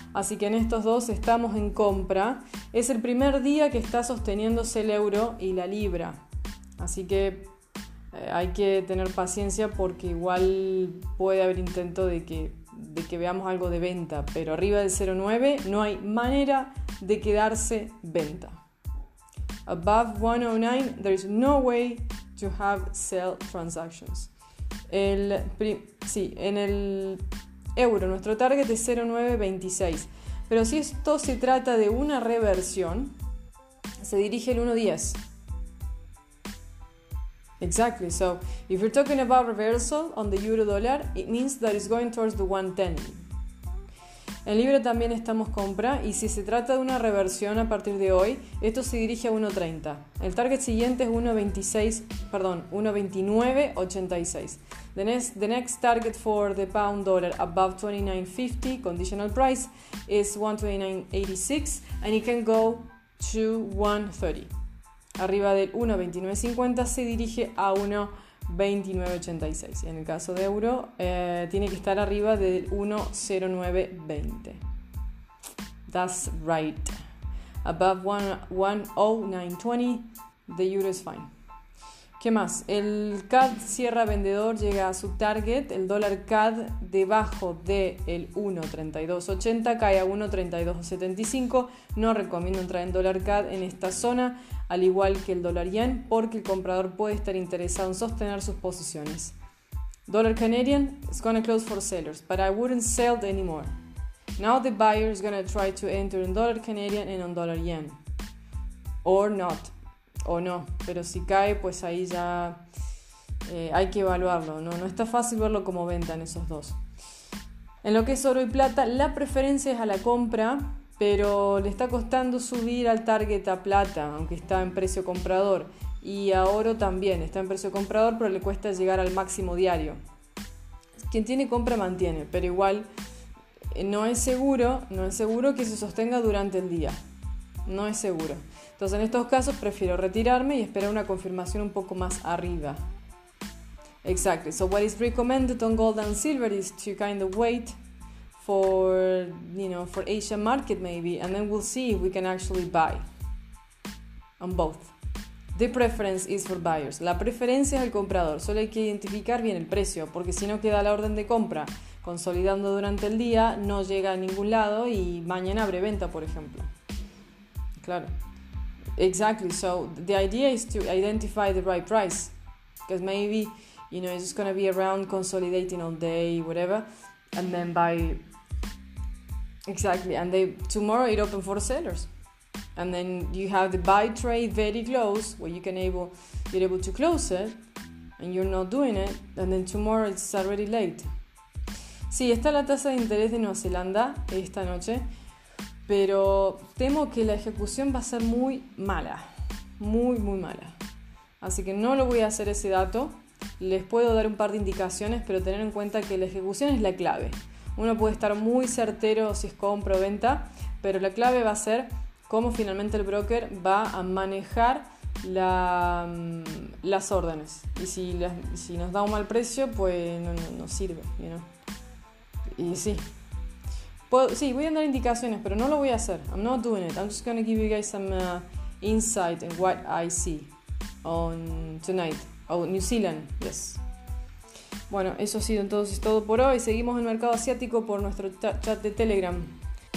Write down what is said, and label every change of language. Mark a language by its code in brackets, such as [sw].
[es] Así que en estos dos estamos en compra. Es el primer día que está sosteniéndose el euro y la libra. Así que hay que tener paciencia porque igual puede haber intento de que veamos algo de venta. Pero arriba del 0.9 no hay manera de quedarse venta. [en] Above 109, there is no way to have sell transactions. [es] En el euro, nuestro target es 0.926. Pero si esto se trata de una reversión, se dirige el 1.10. [en] Exactly. So, if you're talking about reversal on the euro dollar, it means that it's going towards the 1.10. [es] En libra también estamos compra y si se trata de una reversión a partir de hoy, esto se dirige a 1.30. El target siguiente es 1.2986. [en] The next target for the pound dollar above 29.50 conditional price is 1.2986 and it can go to 1.30. [es] Arriba del 1.2950 se dirige a 1.2986. En el caso de euro, tiene que estar arriba del 1.0920. [en] That's right. Above 1.09.20, the euro is fine. [es] ¿Qué más? El CAD cierra vendedor, llega a su target. El dólar CAD debajo del 1.3280 cae a 1.3275. No recomiendo entrar en dólar CAD en esta zona, al igual que el dólar yen, porque el comprador puede estar interesado en sostener sus posiciones. [en] Dólar canadian is going to close for sellers, but I wouldn't sell it anymore. Now the buyer is going to try to enter in dólar canadian and on dólar yen. Or not. [es] O no, pero si cae, pues ahí ya hay que evaluarlo. No está fácil verlo como venta en esos dos. En lo que es oro y plata, la preferencia es a la compra, pero le está costando subir al target a plata, aunque está en precio comprador. Y a oro también, está en precio comprador, pero le cuesta llegar al máximo diario. Quien tiene compra mantiene, pero igual no es seguro que se sostenga durante el día. No es seguro. Entonces, en estos casos, prefiero retirarme y esperar una confirmación un poco más arriba. [en] Exactly. So, what is recommended on gold and silver is to kind of wait for, for Asia market maybe, and then we'll see if we can actually buy on both. The preference is for buyers. [es] La preferencia es al comprador. Solo hay que identificar bien el precio, porque si no queda la orden de compra consolidando durante el día, no llega a ningún lado y mañana abre venta, por ejemplo. Claro. [en] Exactly, so the idea is to identify the right price, because maybe, it's just going to be around consolidating all day, whatever, and then buy, exactly, and tomorrow it opens for sellers, and then you have the buy trade very close, where you can be able to close it, and you're not doing it, and then tomorrow it's already late. [es] Sí, está la tasa de interés de Nueva Zelanda esta noche. Pero temo que la ejecución va a ser muy mala, muy, muy mala. Así que no lo voy a hacer ese dato. Les puedo dar un par de indicaciones, pero tener en cuenta que la ejecución es la clave. Uno puede estar muy certero si es compra o venta, pero la clave va a ser cómo finalmente el broker va a manejar las órdenes. Y si nos da un mal precio, pues no sirve, Y sí. Sí, voy a dar indicaciones, pero no lo voy a hacer. [en] I'm not doing it. I'm just going to give you guys some insight in what I see on tonight. Oh, New Zealand, yes. [es] Bueno, eso ha sido entonces todo por hoy. Seguimos en el mercado asiático por nuestro chat de Telegram.